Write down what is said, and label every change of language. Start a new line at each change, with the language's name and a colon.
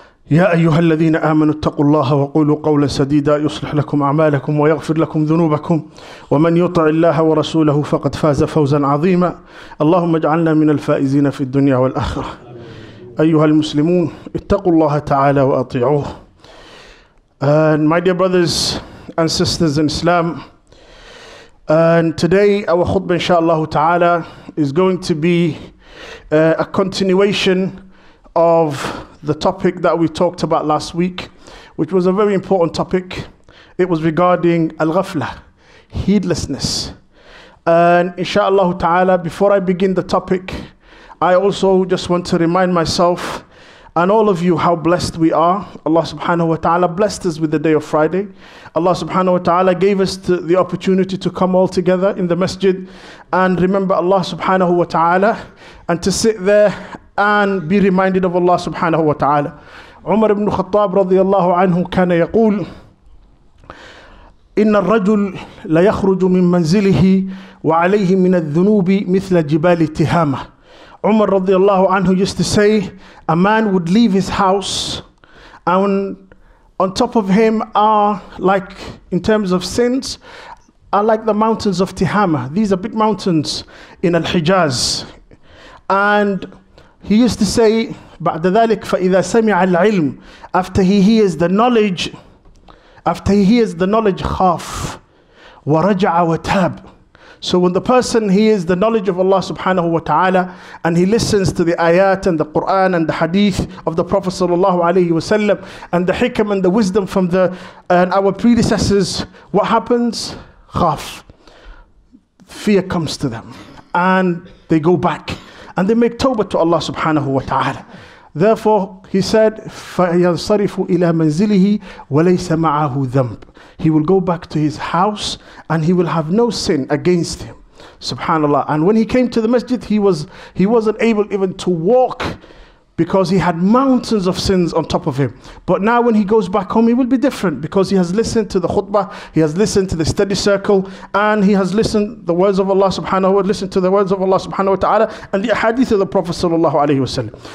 Arabic: يا أيها الذين آمنوا اتقوا الله وقولوا قولا سديدا يصلح لكم أعمالكم ويغفر لكم ذنوبكم ومن يطع الله ورسوله فقد فاز فوزا عظيما اللهم اجعلنا من الفائزين في الدنيا والآخرة أيها المسلمون اتقوا الله تعالى وأطيعوه.
English: And my dear brothers and sisters in Islam, and today our khutbah inshallah ta'ala is going to be a continuation of the topic that we talked about last week, which was a very important topic. It was regarding al-ghafla, heedlessness. And inshallah ta'ala, before I begin the topic, I also just want to remind myself and all of you how blessed we are. Allah subhanahu wa ta'ala blessed us with the day of Friday. Allah subhanahu wa ta'ala gave us the opportunity to come all together in the masjid and remember Allah subhanahu wa ta'ala and to sit there and be reminded of Allah subhanahu wa ta'ala.
Arabic: Umar ibn Khattab radiyallahu anhu kana yaqul, إِنَّ الرَّجُلْ لَيَخْرُجُ مِنْ مَنْزِلِهِ وَعَلَيْهِ مِنَ الذُّنُوبِ مِثْلَ جِبَالِ تِهَامَةِ.
English: Umar radiyallahu anhu used to say, a man would leave his house and on top of him are like, in terms of sins, are like the mountains of Tihama. These are big mountains in Al-Hijaz. And he used to say,
Arabic: بَعْدَ ذَلِكَ فَإِذَا سَمِعَ الْعِلْمُ,
English: after he hears the knowledge, after he hears the knowledge,
Arabic: خَافْ وَرَجَعَ وَتَابْ.
English: So when the person hears the knowledge of Allah subhanahu wa ta'ala and he listens to the ayat and the Quran and the hadith of the Prophet sallallahu alayhi wa sallam and the hikam and the wisdom from the and our predecessors, what happens? خَافْ, fear comes to them and they go back. And they make tawbah to Allah subhanahu wa ta'ala. Therefore, he said,
Arabic: فَيَنْصَرِفُ إِلَى مَنْزِلِهِ وَلَيْسَ مَعَهُ ذَنْبٌ.
English: He will go back to his house and he will have no sin against him. Subhanallah. And when he came to the masjid, he wasn't able even to walk because he had mountains of sins on top of him. But now when he goes back home, he will be different because he has listened to the khutbah, he has listened to the study circle, and he has listened to the words of Allah subhanahu wa ta'ala, listened to the words of Allah subhanahu wa ta'ala, and the ahadith of the Prophet sallallahu alayhi wa sallam.